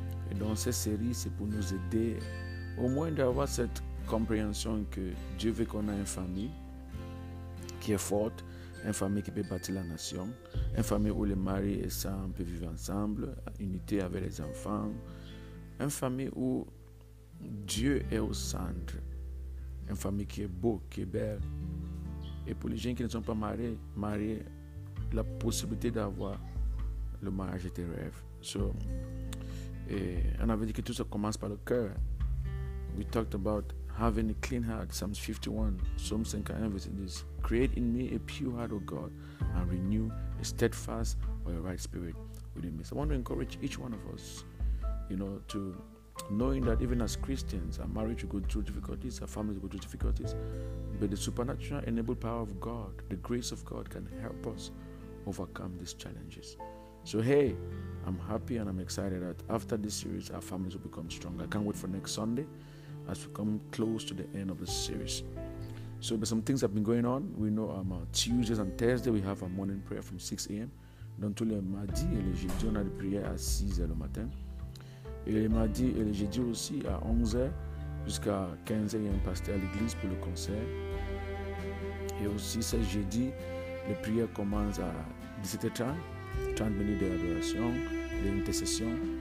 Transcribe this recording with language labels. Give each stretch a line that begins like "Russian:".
French: Et dans cette série, c'est pour nous aider au moins d'avoir cette compréhension que Dieu veut qu'on ait une famille qui est forte, une famille qui peut bâtir la nation, une famille où les maris et sœurs peuvent vivre ensemble, unité avec les enfants, une famille où Dieu est au centre, une famille qui est beau, qui est belle. Et pour les jeunes qui ne sont pas mariés, la possibilité d'avoir le mariage est un rêve. So, et on avait dit que tout ça commence par le cœur.
English: We talked about having a clean heart, Psalms 51, Psalms 51, verset 10. Create in me a pure heart, O God, and renew a steadfast or a right spirit within me. So I want to encourage each one of us, you know, to knowing that even as Christians, our marriage will go through difficulties, our families will go through difficulties, but the supernatural enabled power of God, the grace of God, can help us overcome these challenges. So hey, I'm happy and I'm excited that after this series, our families will become stronger. I can't wait for next Sunday as we come close to the end of the series. So but some things have been going on. We know Tuesdays and Thursdays, we have a morning prayer from 6 a.m.
French: Dans tous les mardis et les jeudis, on a des prières à 6 heures le matin. Et les mardis et les jeudis aussi, à 11 heures jusqu'à 15 heures, il y a un pasteur à l'église pour le concert. Et aussi, ce jeudi, les prières commencent à 17h30, 30 minutes d'adoration, d'intercession.